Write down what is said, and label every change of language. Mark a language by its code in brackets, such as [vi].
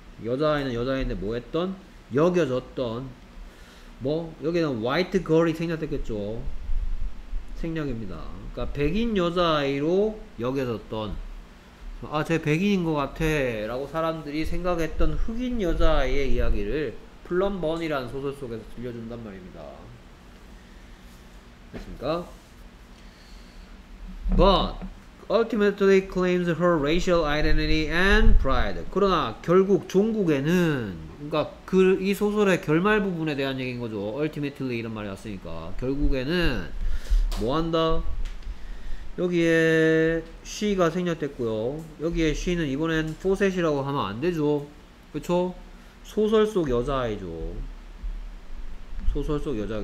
[ko] 여자아이는 여자아이인데 뭐 했던? 여겨졌던 뭐 여기는 white girl이 생략됐겠죠. 생략입니다. 그러니까 백인 여자아이로 여겨졌던 아 쟤 백인인 것 같아 라고 사람들이 생각했던 흑인 여자아이의 이야기를 플럼번이라는 소설 속에서 들려준단 말입니다. 됐습니까? [en] But ultimately claims her racial identity and pride. [ko] 그러나 결국 종국에는 그러니까 이 소설의 결말 부분에 대한 얘기인 거죠. ultimately 이런 말이 왔으니까 결국에는 뭐한다? 여기에 she가 생략됐고요. 여기에 she는 이번엔 포셋이라고 하면 안 되죠. 그쵸? 소설 속 여자아이죠. 소설 속 여자.